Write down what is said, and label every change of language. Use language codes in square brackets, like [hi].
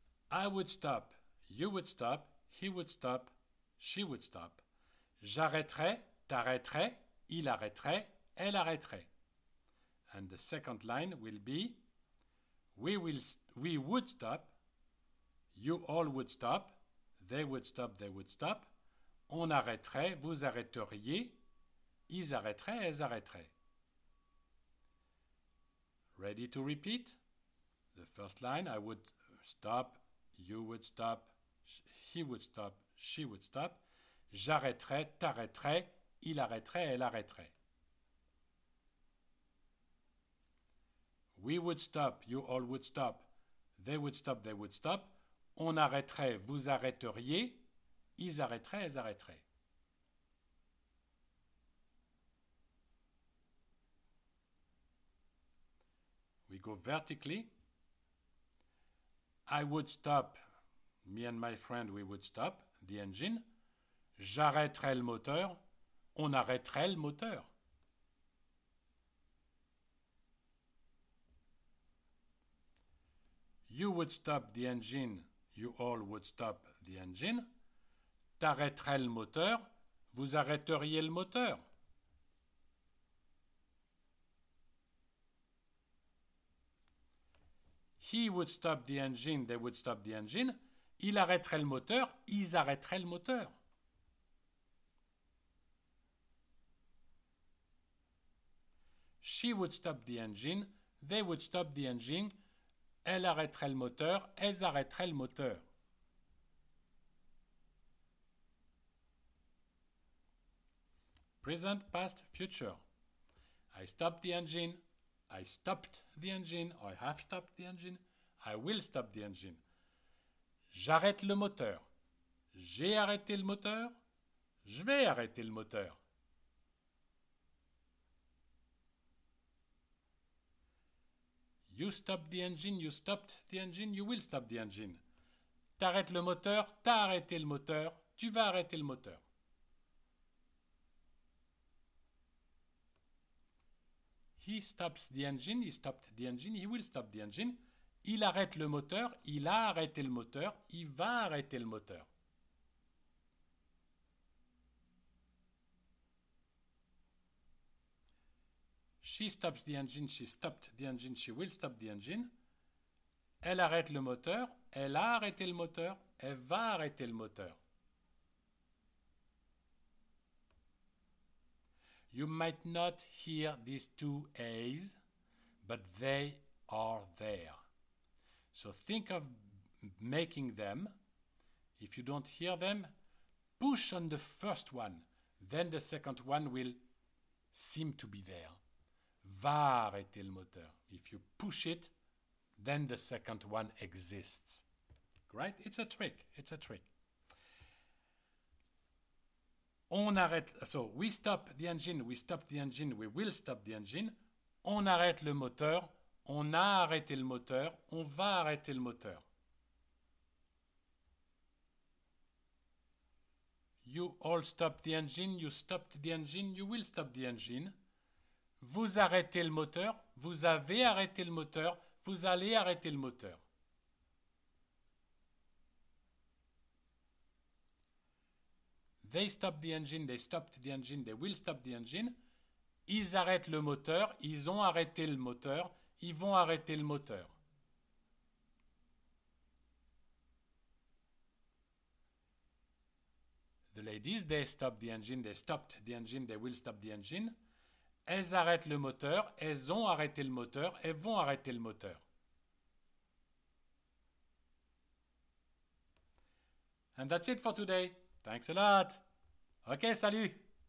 [en] I would stop, you would stop, he would stop, she would stop. [fr] J'arrêterai, t'arrêterais, il arrêterait, elle arrêterait. [en] And the second line will be we would stop, you all would stop, they would stop, they would stop. [fr] On arrêterait, vous arrêteriez, ils arrêteraient, elles arrêteraient. [en] Ready to repeat? The first line, I would stop, you would stop, he would stop, she would stop. [fr] J'arrêterais, t'arrêterais, il arrêterait, elle arrêterait. [en] We would stop, you all would stop, they would stop, they would stop. [fr] On arrêterait, vous arrêteriez, ils arrêteraient, elles arrêteraient. [en] We go vertically. I would stop, me and my friend, we would stop the engine. [fr] J'arrêterai le moteur, on arrêterait le moteur. [en] You would stop the engine, you all would stop the engine. [fr] T'arrêterais le moteur, vous arrêteriez le moteur. [en] He would stop the engine, they would stop the engine. [fr] Il arrêterait le moteur, ils arrêteraient le moteur. [en] She would stop the engine, they would stop the engine. [fr] Elle arrêterait le moteur, elles arrêteraient le moteur. [en] Present, past, future. I stopped the engine. I stopped the engine. I have stopped the engine. I will stop the engine. [fr] J'arrête le moteur. J'ai arrêté le moteur. Je vais arrêter le moteur. [en] You stopped the engine. You stopped the engine. You will stop the engine. [fr] T'arrêtes le moteur. T'as arrêté le moteur. Tu vas arrêter le moteur. [en] He stops the engine, he stopped the engine, he will stop the engine. [fr] Il arrête le moteur, il a arrêté le moteur, il va arrêter le moteur. [en] She stops the engine, she stopped the engine, she will stop the engine. [fr] Elle arrête le moteur, elle a arrêté le moteur, elle va arrêter le moteur. [en] You might not hear these two A's, but they are there. So think of making them. If you don't hear them, push on the first one. Then the second one will seem to be there. [fr] Va arrêter le moteur. [en] If you push it, then the second one exists. Right? It's a trick. It's a trick. [fr] On arrête, [en] so we stop the engine, we stop the engine, we will stop the engine. [fr] On arrête le moteur, on a arrêté le moteur, on va arrêter le moteur. [en] You all stop the engine, you stopped the engine, you will stop the engine. [fr] Vous arrêtez le moteur, vous avez arrêté le moteur, vous allez arrêter le moteur. [en] They stop the engine, they stopped the engine, they will stop the engine. [fr] Ils arrêtent le moteur, ils ont arrêté le moteur, ils vont arrêter le moteur. [en] The ladies, they stop the engine, they stopped the engine, they will stop the engine. [fr] Elles arrêtent le moteur, elles ont arrêté le moteur, elles vont arrêter le moteur. [en] And that's it for today. Thanks a lot. Okay, salut!